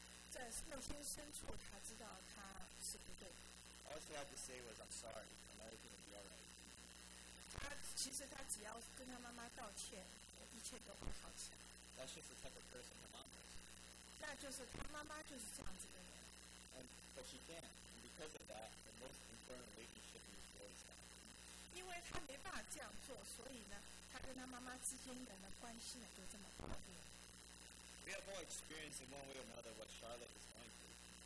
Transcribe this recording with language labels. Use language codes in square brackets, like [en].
[zh] 在内心深处，她知道她是不对。 [en] All she had to say was, "I'm sorry, and everything will be alright." [zh] 她其实她只要跟她妈妈道歉，一切都会好起来。 [en] That's just the type of person her mom is. [zh] 那就是她妈妈就是这样子的人。 [en] But she can't. Because of that, the most important relationship in the world is that. [zh] 因为她没办法这样做，所以呢，她跟她妈妈之间的关系呢就这么破裂。 [en] We have all experienced in one way or another what Charlotte is going through.